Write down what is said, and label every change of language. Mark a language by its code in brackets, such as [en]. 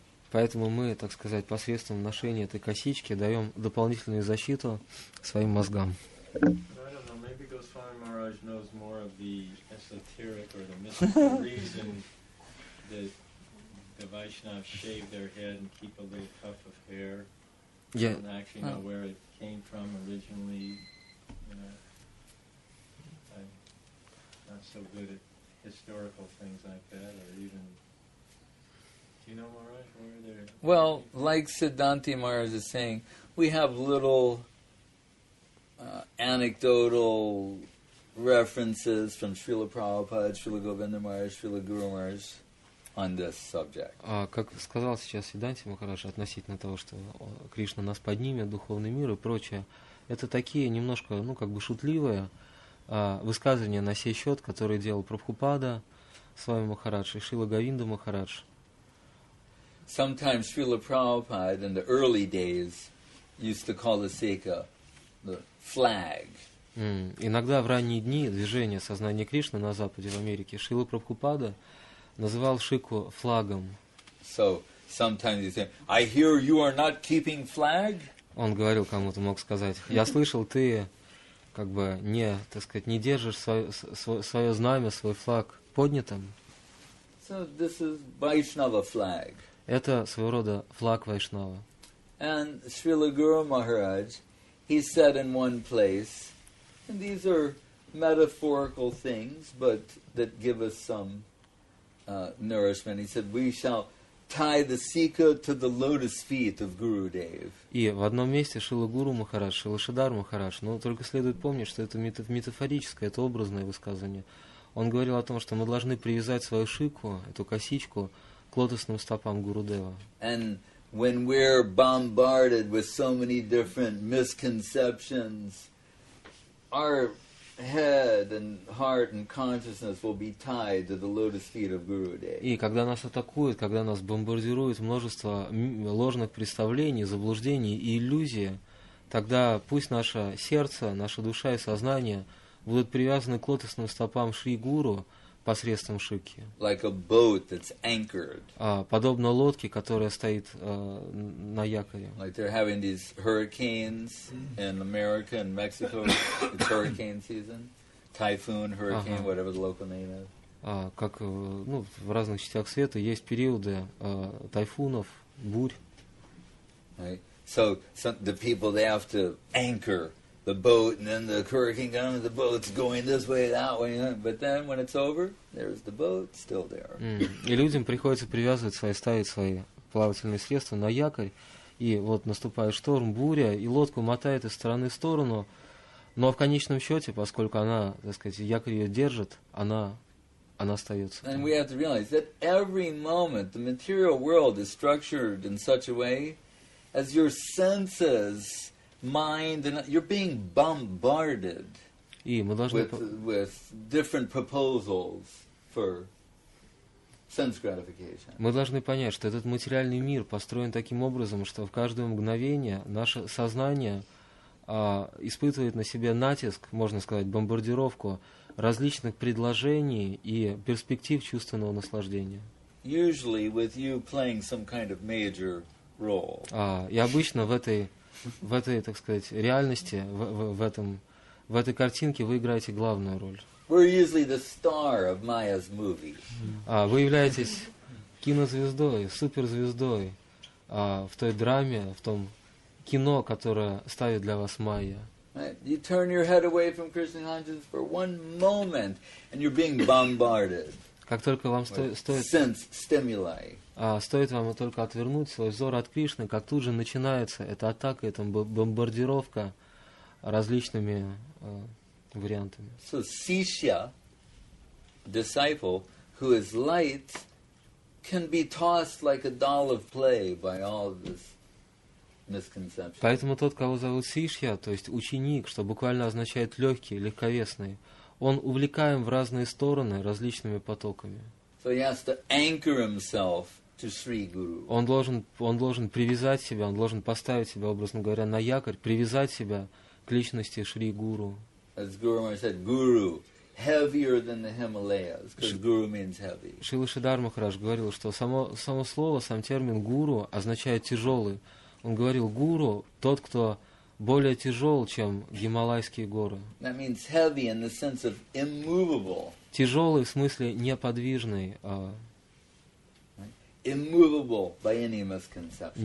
[ru] Поэтому мы, так сказать, посредством ношения этой косички даем дополнительную защиту своим мозгам. [en] I don't know, maybe Goswami Maharaj knows more of the esoteric or the mystical reason that the Vaishnavas shave their head and keep a little tuft of hair. Yeah. I don't actually know where it came from originally. I'm not so good at historical things like that, or even... Do you know, Maharaj, where are there... Well, like Siddhanti Maharaj is saying, we have little... anecdotal references from Srila Prabhupada, Srila Govinda Maharaj, Srila Guru Maharaj on this subject. [ru] Как сказал сейчас Сиданти Махараш относительно того, что Кришна нас поднимет, духовный мир и прочее, это такие немножко, ну, как бы шутливые высказывания на сей счет, которые делал Прабхупада с вами Махарадж и Шрила Говинда Махарадж. [en] Sometimes Srila Prabhupada in the early days used to call the sikha the flag. [ru] Иногда в ранние дни движение сознания Кришны на Западе в Америке Шрила Прабхупада называл шику флагом. [en] So sometimes you say, I hear you are not keeping flag. [ru] Он говорил кому-то, мог сказать, я слышал, ты как бы не, так сказать, не держишь свое знамя, свой флаг поднятым. [en] So this is Vaishnava flag. [ru] Это своего рода флаг Вайшнава. [en] And Srila Guru Maharaj, he said in one place, and these are metaphorical things, but that give us some nourishment. He said, "We shall tie the sikkha to the lotus feet of Guru Dev." [ru] И в одном месте Шрила Гуру Махарадж, Шрила Шридхар Махарадж. Но только следует помнить, что это метафорическое, это образное высказывание. Он говорил о том, что мы должны привязать свою шику, эту косичку, к лотосным стопам Гуру Дева. [en] When we're bombarded with so many different misconceptions, our head and heart and consciousness will be tied to the lotus feet of Guru Dev. [ru] И когда нас атакуют, когда нас бомбардируют множество ложных представлений, заблуждений и иллюзий, тогда пусть наше сердце, наша душа и сознание будут привязаны к лотосным стопам Шри Гуру посредством шики. [en] Like a boat that's anchored. [ru] Подобно лодке, которая стоит на якоре. [en] Like they're having these hurricanes in America and Mexico. It's hurricane season. Typhoon, hurricane, uh-huh. Whatever the local name is. [ru] Как ну, в разных частях света есть периоды тайфунов, бурь. [en] Right. So some, the people, they have to anchor the boat, and then the hurricane comes, and the boat's going this way, that way. But then, when it's over, there's the boat still there. [ru] И людям приходится привязывать свои, ставить свои плавательные средства на якорь, и вот наступает шторм, буря, и лодку мотает из стороны в сторону, но в конечном счете, поскольку она, так сказать, якорь ее держит, она она остается. [en] And we have to realize that every moment the material world is structured in such a way as your senses, mind, and you're being bombarded with different proposals for sense gratification. [ru] Мы должны понять, что этот материальный мир построен таким образом, что в каждое мгновение наше сознание испытывает на себе натиск, можно сказать, бомбардировку различных предложений и перспектив чувственного наслаждения. [en] Usually with you playing some kind of major role. [ru] И обычно в этой, так сказать, реальности, в этой картинке вы играете главную роль. [en] We're usually the star of Maya's movie. [ru] Вы являетесь кинозвездой, суперзвездой в той драме, в том кино, которое ставит для вас Майя. [en] Right. You turn your head away from Krishna consciousness for one moment, and you're being bombarded. [ru] Как только вам стоит [en] sense stimuli. [ru] Стоит вам только отвернуть свой взор от Кришны, как тут же начинается эта атака, эта бомбардировка различными вариантами. [en] So Sishya, disciple who is light, can be tossed like a doll of play by all of this. [ru] Поэтому тот, кого зовут Сишья, то есть ученик, что буквально означает легкий, легковесный, он увлекаем в разные стороны различными потоками. [en] So he has to anchor himself to Sri Guru. [ru] Он должен привязать себя, он должен поставить себя, образно говоря, на якорь, привязать себя к личности Шри Гуру. [en] As Guru Maharaj said, Guru heavier than the Himalayas, because Guru means heavy. [ru] Шрила Шридхар Махарадж говорил, что само слово, сам термин Гуру означает тяжелый. Он говорил, гуру – тот, кто более тяжел, чем Гималайские горы. [en] That means heavy in the sense of immovable. [ru] Тяжелый в смысле неподвижный. [en] Immovable by any misconception.